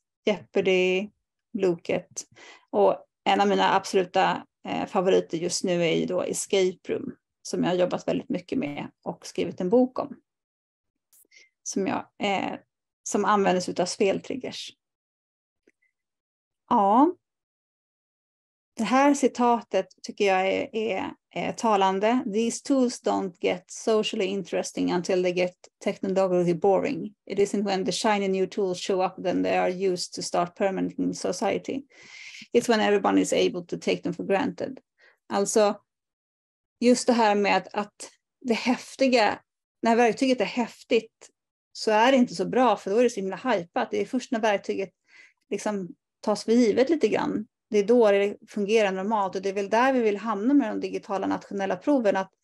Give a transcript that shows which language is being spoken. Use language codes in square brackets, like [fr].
[sv] Jeopardy, Blocket. Och en av mina absoluta favoriter just nu är ju då Escape Room, som jag har jobbat väldigt mycket med och skrivit en bok om. Som användes utav speltriggers. Ja. Det här citatet tycker jag är talande. [en] These tools don't get socially interesting until they get technologically boring. It isn't when the shiny new tools show up than they are used to start permanenting society. It's when everyone is able to take them for granted. [sv] Alltså, just det här med att det häftiga, när verktyget är häftigt, så är det inte så bra, för då är det så himla hajpat. Det är först när verktyget liksom tas för givet lite grann. Det är då det fungerar normalt. Och det är väl där vi vill hamna med de digitala nationella proven.